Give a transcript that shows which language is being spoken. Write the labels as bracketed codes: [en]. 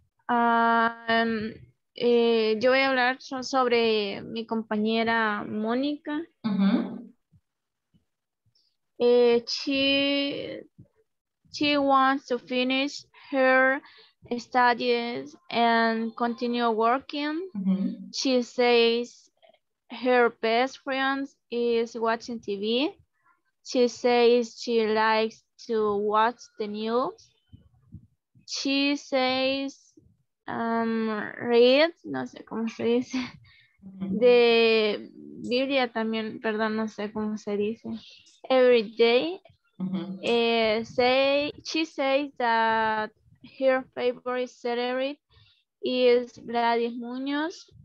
[es] Yo voy a hablar sobre mi compañera Mónica. Uh-huh. [en] She wants to finish her studies and continue working. Mm-hmm. She says her best friend is watching TV. She says she likes to watch the news. She says read, [es] no sé cómo se dice. De Biblia también, perdón, no sé cómo se dice. [en] Every day. Mm-hmm. She says that her favorite celebrity is Gladys Muñoz.